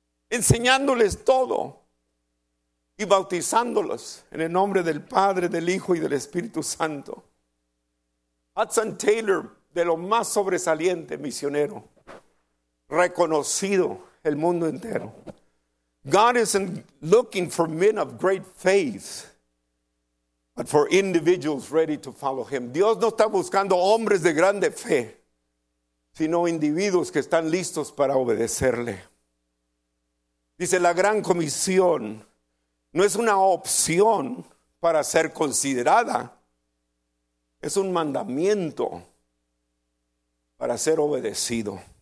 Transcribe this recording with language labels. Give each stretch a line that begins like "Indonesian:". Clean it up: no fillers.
Spanish: Enseñándoles todo y bautizándolos en el nombre del Padre, del Hijo y del Espíritu Santo. Hudson Taylor, de lo más sobresaliente misionero, reconocido el mundo entero.
English: God isn't looking for men of great faith, but for individuals ready to follow him.
Spanish: Dios no está buscando hombres de grande fe, sino individuos que están listos para obedecerle. Dice, la gran comisión no es una opción para ser considerada, es un mandamiento para ser obedecido.